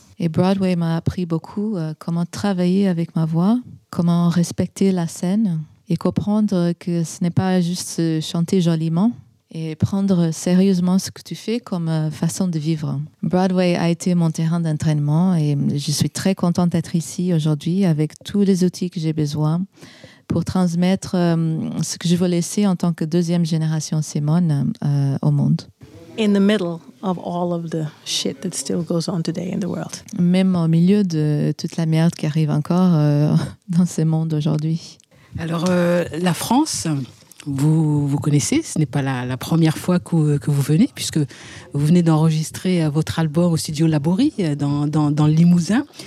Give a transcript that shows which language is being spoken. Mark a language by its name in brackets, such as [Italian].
[French] Et Broadway m'a appris beaucoup comment travailler avec ma voix, comment respecter la scène et comprendre que ce n'est pas juste chanter joliment et prendre sérieusement ce que tu fais comme façon de vivre. Broadway a été mon terrain d'entraînement et je suis très contente d'être ici aujourd'hui avec tous les outils que j'ai besoin pour transmettre ce que je veux laisser en tant que deuxième génération Simone au monde. [English] In the middle of all of the shit that still goes on today in the world. [French] Même au milieu de toute la merde qui arrive encore dans ce monde aujourd'hui. Alors, la France, vous connaissez, ce n'est pas la première fois que vous venez, puisque vous venez d'enregistrer votre album au studio Laborie, dans le Limousin.